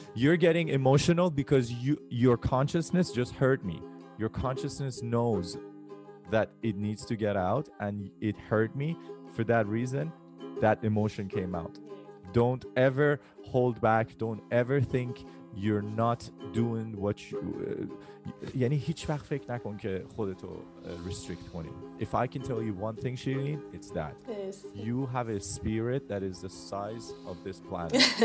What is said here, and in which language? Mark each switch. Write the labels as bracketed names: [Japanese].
[English] You're getting emotional because your consciousness just hurt me. Your consciousness knows that it needs to get out, and it hurt me. For that reason, that emotion came out. Don't ever hold back. Don't ever think you're not doing what you. [Persian] یعنی هیچ وقت فکر نکن که خودتو restrict کنی. [English] If I can tell you one thing, Shirin, it's that. Yes. You have a spirit that is the size of this planet.